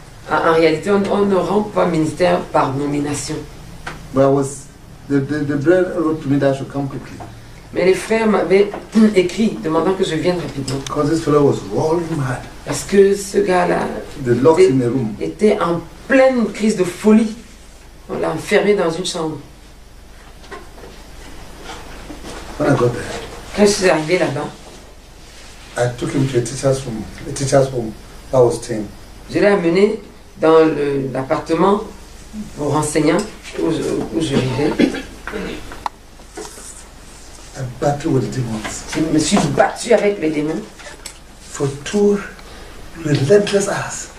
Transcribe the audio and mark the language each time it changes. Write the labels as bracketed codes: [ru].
[fr] En réalité, on ne rend pas ministère par nomination. [en] But I was, the brother wrote to me that I should come quickly. [fr] Mais les frères m'avaient écrit demandant que je vienne rapidement. [en] Because this fellow was rolling mad. [fr] Parce que ce gars-là était en pleine crise de folie. On l'a enfermé dans une chambre. [en] When I got there, [fr] quand je suis arrivé là-bas, [en] I took him to a teacher's room that was tame. [fr] Je l'ai amené dans l'appartement pour enseignants où je vivais. [en] I battled with demons. [fr] Je me suis battu avec les démons. [en] For 2 relentless hours.